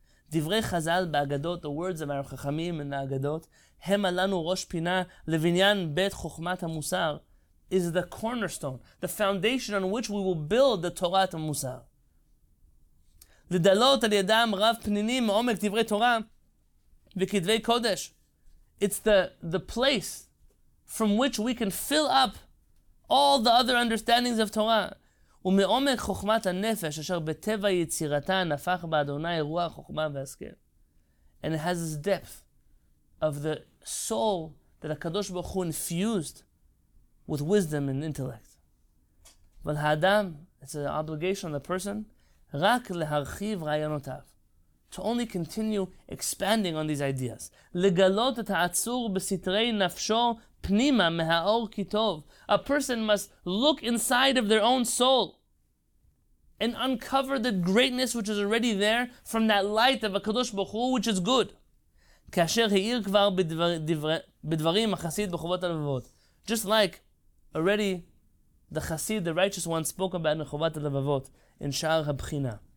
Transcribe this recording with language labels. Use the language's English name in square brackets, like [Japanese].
[English] דברי חזל באגדות, the words of our חכמים in the אגדות, הם עלינו ראש פינה לבניין בית חוכמת המוסר, is the cornerstone, the foundation on which we will build the תורת המוסר. [Hebrew] לדלות על ידם רב פנינים מעומק דברי תורה וכתבי קודש. [English] It's the place from which we can fill up all the other understandings of Torah. [Hebrew] ומעומק חוכמת הנפש אשר בטבע יצירתה נפח בה אדוני רוח חוכמה והשכל. [English] And it has this depth of the soul that הקדוש ברוך הוא infused with wisdom and intellect. אבל האדם, it's an obligation on the person, רק להרחיב רעיונותיו. [Hebrew] To only continue expanding on these ideas. לגלות את העצור בסתרי נפשו פנימה מהאור כי טוב. [English] A person must look inside of their own soul and uncover the greatness which is already there from that light of הקדוש ברוך הוא, which is good. [Hebrew] כאשר העיר כבר בדברים החסיד בחובות הלבבות. [English] Just like already the חסיד, the righteous one, spoke about בחובות הלבבות in שער הבחינה.